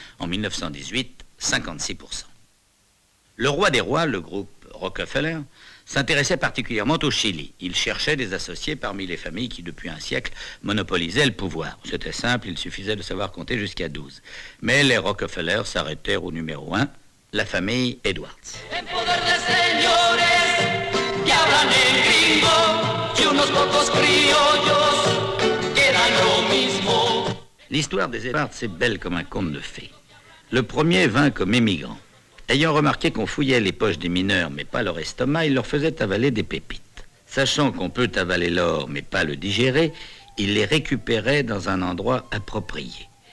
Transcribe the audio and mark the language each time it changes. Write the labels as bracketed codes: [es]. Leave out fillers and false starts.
[fr] En 1918, 56%. Le roi des rois, le groupe Rockefeller, s'intéressait particulièrement au Chili. Il cherchait des associés parmi les familles qui, depuis un siècle, monopolisaient le pouvoir. C'était simple, il suffisait de savoir compter jusqu'à 12. Mais les Rockefeller s'arrêtèrent au numéro 1, la famille Edwards. En poder de señores, ya [es] hablan en gringo y unos pocos criollos quedan lo mismo. [fr] L'histoire des Éparts est belle comme un conte de fées. Le premier vint comme émigrant. Ayant remarqué qu'on fouillait les poches des mineurs, mais pas leur estomac, il leur faisait avaler des pépites. Sachant qu'on peut avaler l'or, mais pas le digérer, il les récupérait dans un endroit approprié.